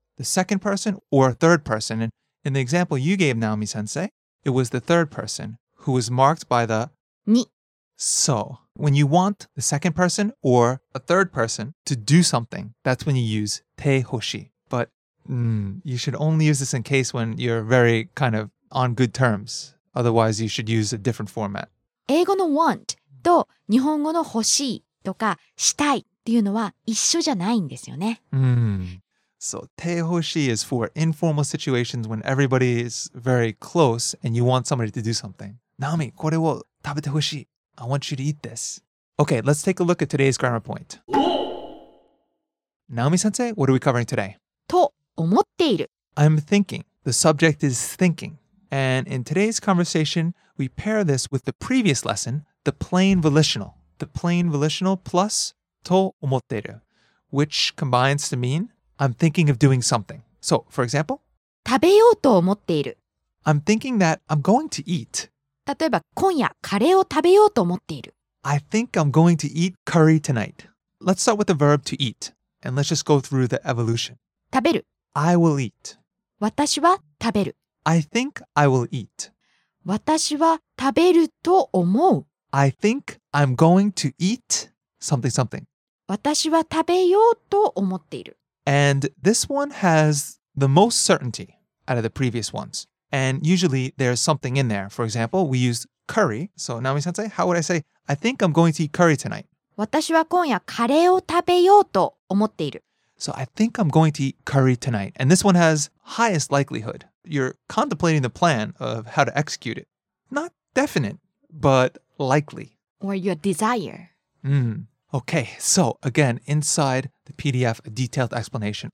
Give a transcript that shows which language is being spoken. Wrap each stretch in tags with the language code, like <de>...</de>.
<en>The second person or third person. And in the example you gave Naomi-sensei, it was the third person who was marked by the</en> <ja>ni.</ja> <en>So, when you want the second person or a third person to do something, that's when you use te hoshi. But you should only use this in case when you're very kind of on good terms. Otherwise, you should use a different format.</en> <ja>英語の want と日本語の欲しいとかしたいっていうのは一緒じゃないんですよね。</ja> <en>So, te hoshi is for informal situations when everybody is very close and you want somebody to do something. Naomi,</en> <ja>これを食べてほしい。</ja> <en>I want you to eat this. Okay, let's take a look at today's grammar point. Naomi-sensei, what are we covering today?</en> <ja>と思っている。</ja> <en>I'm thinking. The subject is thinking. And in today's conversation, we pair this with the previous lesson, the plain volitional. The plain volitional plus to 思っている, which combines to mean, I'm thinking of doing something. So, for example,</en> <ja>食べようと思っている.</ja> <en>I'm thinking that I'm going to eat.</en> <ja>例えば、今夜カレーを食べようと思っている.</ja> <en>I think I'm going to eat curry tonight. Let's start with the verb to eat, and let's just go through the evolution.</en> <ja>食べる.</ja> <en>I will eat.</en> <ja>私は食べる.</ja> <en>I think I will eat.</en> <ja>私は食べると思う。</ja> <en>I think I'm going to eat something something.</en> <ja>私は食べようと思っている。</ja> <en>And this one has the most certainty out of the previous ones. And usually there's something in there. For example, we use curry. So Naomi-sensei, how would I say, I think I'm going to eat curry tonight?</en> <ja>私は今夜カレーを食べようと思っている。</ja> <en>So I think I'm going to eat curry tonight. And this one has highest likelihood. You're contemplating the plan of how to execute it. Not definite, but likely. Or your desire. Okay, so again, inside the PDF, a detailed explanation.</en>